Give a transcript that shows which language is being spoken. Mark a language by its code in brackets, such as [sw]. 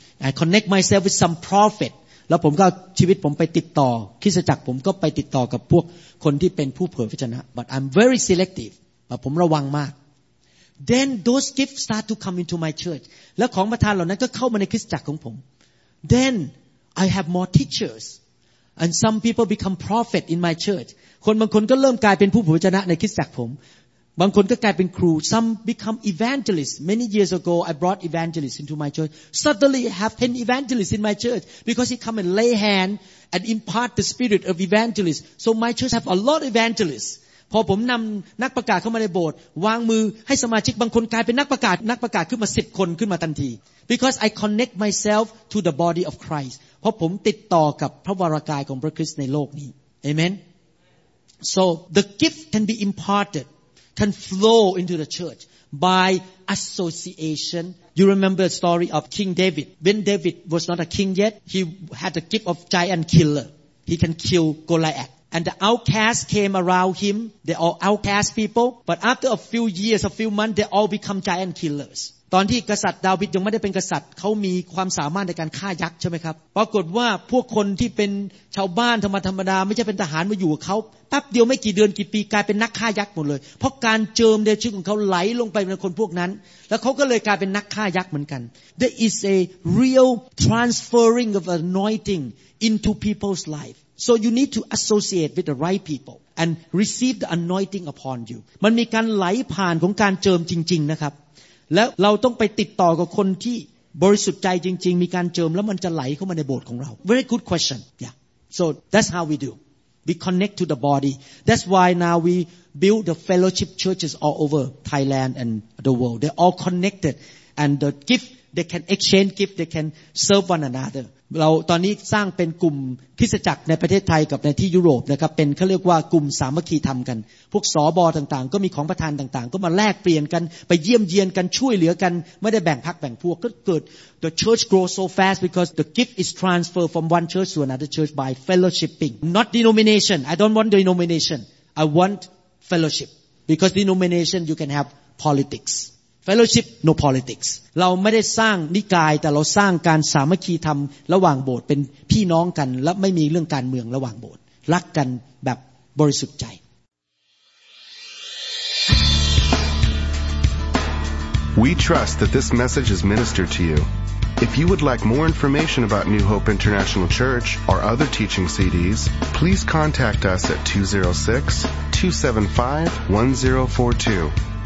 [en] I connect myself with some prophet [th] แล้วผมก็ชีวิตผมไปติดต่อคริสตจักรผมก็ไปติดต่อกับพวกคนที่เป็นผู้เผยพระวจนะ [en] but I'm very selective [th] ผมระวังมาก [en] Then those gifts start to come into my church. [th] แล้วของประทานเหล่านั้นก็เข้ามาในคริสตจักรของผม [en] Then I have more teachers, and some people become prophet in my church. [th] คนบางคนก็เริ่มกลายเป็นผู้เผยพระวจนะในคริสตจักรผมบางคนก็กลายเป็นครู [en] Some become evangelists. Many years ago, I brought evangelists into my church. Suddenly, I have 10 evangelists in my church because he come and lay hand and impart the spirit of evangelists. So my church have a lot of evangelists. [th] พอผมนำนักประกาศเข้ามาในโบสถ์วางมือให้สมาชิกบางคนกลายเป็นนักประ กาศขึ้นมา10คนขึ้นมาทันที [en] because I connect myself to the body of Christ [th] เพราะผมติดต่อกับพระวรกายของพระคริสต์ในโลกนี้ [en] Amen So the gift can be imparted can flow into the church by association You remember the story of King David when David was not a king yet he had the gift of giant killer he can kill GoliathAnd the outcasts came around him. They all outcast people. But after a few years, a few months, they all become giant killers. [th] ตอนที่กษัตริย์ดาวิดยังไม่ได้เป็นกษัตริย์เขามีความสามารถในการฆ่ายักษ์ใช่ไหมครับปรากฏว่าพวกคนที่เป็นชาวบ้านธรรมดาไม่ใช่เป็นทหารมาอยู่กับเขาแป๊บเดียวไม่กี่เดือนกี่ปีกลายเป็นนักฆ่ายักษ์หมดเลยเพราะการเจิมในชื่อของเขาไหลลงไปในคนพวกนั้นแล้วเขาก็เลยกลายเป็นนักฆ่ายักษ์เหมือนกัน [en] There is a real transferring of anointing into people's lifeSo you need to associate with the right people and receive the anointing upon you. [th] มันมีการไหลผ่านของการเจิมจริงๆนะครับแล้วเราต้องไปติดต่อกับคนที่บริสุทธิ์ใจจริงๆมีการเจิมแล้วมันจะไหลเข้ามาในโบสถ์ของเรา [en] Very good question. Yeah. So that's how we do. We connect to the body. That's why now we build the fellowship churches all over Thailand and the world. They're all connected and the gift, they can exchange gift, they can serve one another. [th] เราตอนนี้สร้างเป็นกลุ่มคริสตจักรในประเทศไทยกับในที่ยุโรปนะครับเป็นเขาเรียกว่ากลุ่มสามัคคีธรรมกันพวกสบอต่างๆก็มีของประทานต่างๆก็มาแลกเปลี่ยนกันไปเยี่ยมเยียนกันช่วยเหลือกันไม่ได้แบ่งพรรคแบ่งพวกก็เกิด [en] the church grows so fast because the gift is transferred from one church to another church by fellowshipping not denomination I don't want denomination I want fellowship because denomination you can have politicsFellowship, no politics. [th] เราไม่ได้สร้างนิกายแต่เราสร้างการสามัคคีธรรมระหว่างโบสถ์เป็นพี่น้องกันและไม่มีเรื่องการเมืองระหว่างโบสถ์รักกันแบบบริสุทธิ์ใจ [en] We trust that this message is ministered to you. If you would like more information about New Hope International Church or other teaching CDs, please contact us at 206-275-1042.